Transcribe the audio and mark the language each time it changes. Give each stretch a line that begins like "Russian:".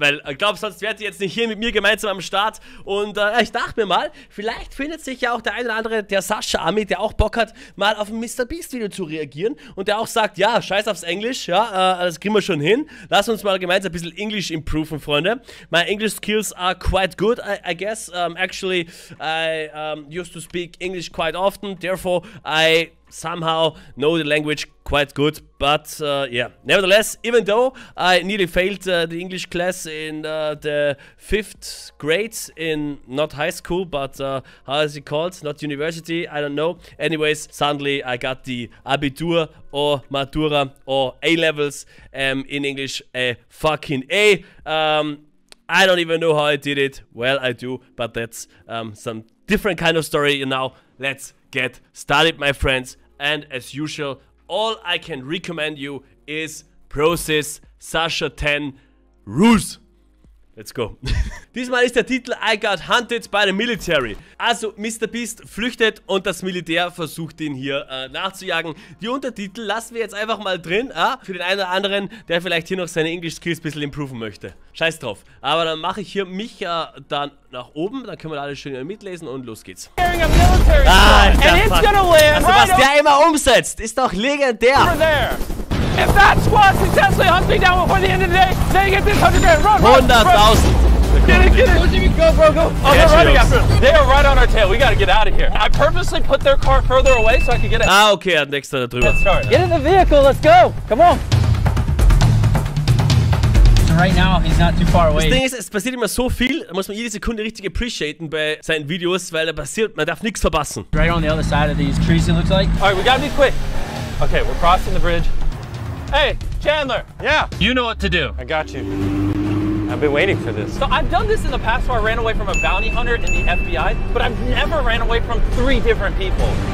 German: Weil, glaub, sonst wärt ihr jetzt nicht hier mit mir gemeinsam am Start. Und ich dachte mir mal, vielleicht findet sich ja auch der ein oder andere, der Sascha Ami, der auch Bock hat, mal auf ein Mr. Beast Video zu reagieren und der auch sagt, ja, scheiß aufs Englisch, ja, das kriegen wir schon hin. Lass uns mal gemeinsam ein bisschen Englisch improven, Freunde.
English: My English skills are quite good, I guess. Actually, I used to speak English quite often, therefore I somehow know the language quite good, but yeah. Nevertheless, even though I nearly failed the English class in the fifth grade in not high school, but how is it called? Not university, I don't know. Anyways, suddenly I got the Abitur or Matura or A-Levels in English, a fucking A. I don't even know how I did it. Well, I do, but that's some different kind of story. And now let's get started, my friends. And as usual, all I can recommend you is Process Sascha 10 Rules. Let's go.
German: Diesmal ist der Titel
English: I got hunted by the military.
German: Also Mr. Beast flüchtet und das Militär versucht ihn hier nachzujagen. Die Untertitel lassen wir jetzt einfach mal drin, für den einen oder anderen, der vielleicht hier noch seine English Skills ein bisschen improven möchte. Scheiß drauf. Aber dann mache ich hier mich dann nach oben, dann können wir alles schön mitlesen und los geht's. Also was der immer umsetzt, ist doch legendär.
English: If that squad successfully hunts me down before the end of the day, then you get this 100 grand. Run, 100,000. Get it. Don't even go, bro. Go. Oh, they're running after us. They are right on our tail. We gotta get out of here. I purposely put their car further away so I could get it. Ah, okay. Next to drüber. Let's start. Get in the vehicle. Let's go. Come on. Right now, he's not too far away.
German: Das Ding ist, es passiert immer so viel, da muss man jede Sekunde richtig appreciaten bei seinen Videos, weil da passiert, man darf nichts verpassen.
English: Right on the other side of these trees, it looks like. All right, we gotta be quick. Okay, we're crossing the bridge. Hey, Chandler. Yeah. You know what to do. I got you. I've been waiting for this. So I've done this in the past where I ran away from a bounty hunter in the FBI, but I've never ran away from three different people.